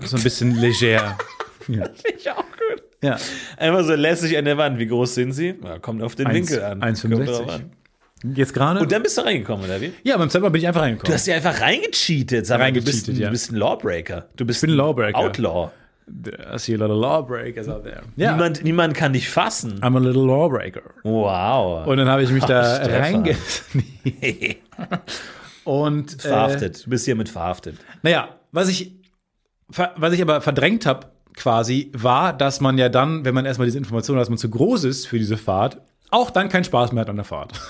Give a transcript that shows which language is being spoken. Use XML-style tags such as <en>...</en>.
<de>So ein bisschen leger. Ja. Das finde ich auch gut. Ja. Einfach so lässig an der Wand. Wie groß sind sie? Ja, kommt auf den Winkel an. 1,65. Jetzt gerade? Und dann bist du reingekommen, oder wie? Ja, beim zweiten Mal bin ich einfach reingekommen. Du hast dich einfach reingecheatet. Sag mal, reingecheatet, ja. Du bist ein Lawbreaker. Ich bin ein Lawbreaker.</de> <en>Outlaw. I see a lot of lawbreakers out there.</en> <de>Ja. Niemand kann dich fassen.</de> <en>I'm a little lawbreaker. Wow.</en> <de>Und dann habe ich mich reingecheatet. Und verhaftet. Du bist hiermit verhaftet. Naja, was ich aber verdrängt habe, quasi, war, dass man ja dann, wenn man erstmal diese Information hat, dass man zu groß ist für diese Fahrt, auch dann keinen Spaß mehr hat an der Fahrt.</de>